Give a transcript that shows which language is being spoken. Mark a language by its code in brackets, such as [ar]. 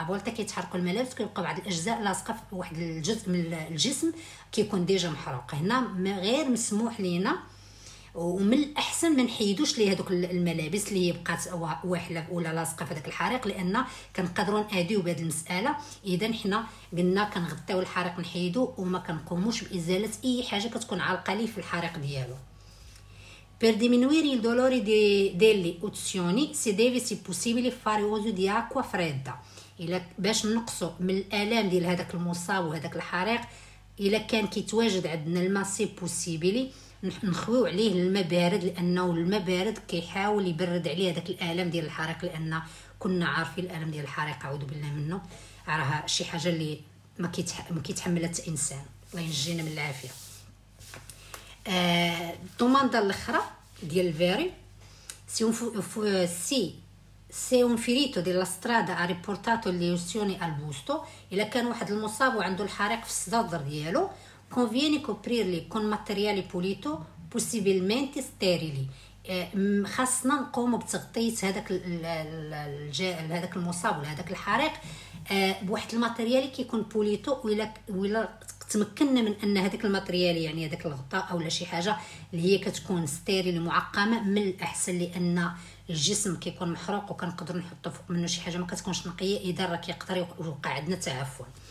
[ar] ابولتا كيتحرقوا الملابس كيبقاو بعض الاجزاء لاصقه في واحد الجزء من الجسم كيكون ديجا محروق، هنا غير مسموح لينا، ومن الاحسن ما نحيدوش ليه هذوك الملابس اللي هي بقات واحله ولا لاصقه في هذاك الحريق، لان كنقدروا ناديو بهذه المساله. اذا حنا قلنا كنغطيو الحريق نحيدو، وما كنقوموش بازاله اي حاجه كتكون عالقه ليه في الحريق ديالو. [it] Per diminuire il dolore delle uzioni, si deve, se possibile, fare uso di acqua fredda. [ar] باش نقصوا من الالام ديال هذاك المصاب وهذاك الحريق، الا كان كيتواجد عندنا الماء سي بوسيبلي نخويو عليه الماء بارد، لانه الماء بارد كيحاول يبرد عليه هذاك الالام ديال الحريق، لان كنا عارفين الالم ديال الحريق اعوذ بالله منه راه شي حاجه اللي ما كيتحملها حتى انسان. الله ينجينا من العافيه. الطوماطه الاخرى ديال الفيري، [it] Se un ferito della strada ha riportato le ustioni al busto, e la can [ar] واحد المصاب وعندو الحريق في الصدر ديالو، [it] conviene coprirli con materiale pulito, possibilmente sterili. [ar] خاصنا نقوم بتغطية هذاك المصاب ولا هذاك الحريق بواحد الماتريال كيكون بوليتو، ولا تمكننا من ان هذاك الماتريال، يعني هذاك الغطاء او لا شي حاجة اللي هي كتكون ستيريل معقمة، من الاحسن، لان الجسم كيكون محروق وكنقدر نحطو فوق منه شي حاجة ما كتكونش نقية، اذا راه كيقدر يوقع عندنا تعفن.